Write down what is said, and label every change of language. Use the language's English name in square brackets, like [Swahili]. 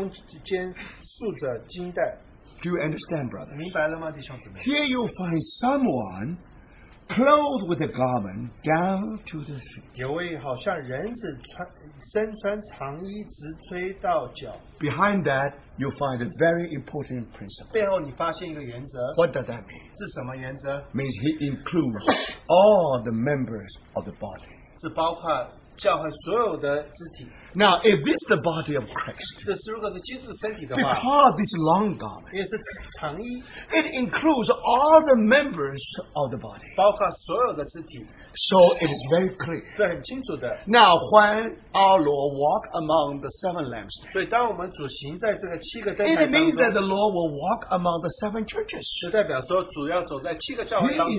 [Chinese] 灯台中间有一位好像人子，身穿长衣，直垂到脚，胸间束着金带。 [English] Do you understand, brother? [Chinese] 明白了吗, 弟兄姊妹? [English] Here you find someone clothed with a garment down to the feet. [Chinese] 有位好像人子身穿长衣直垂到脚。 [English] Behind that, you find a very important principle. [Chinese] 背后你发现一个原则。 [English] What does that mean? [Chinese] 是什么原则? [English] Means he includes all the members of the body. [Chinese] 是包括教会所有的肢体。 [English] Now, if this is the body of Christ, we call this long garment. [Chinese] 也是长衣, [English] it includes all the members of the body. [Chinese] 包括所有的肢体, [English] so it is very clear. [Chinese] 是很清楚的。 [English] Now, when our Lord walked among the seven lampstands, [Chinese] 所以当我们主行在这个七个灯台当中, [English] it means that the Lord will walk among the seven churches. [Chinese] 就代表说主要走在七个教会当中。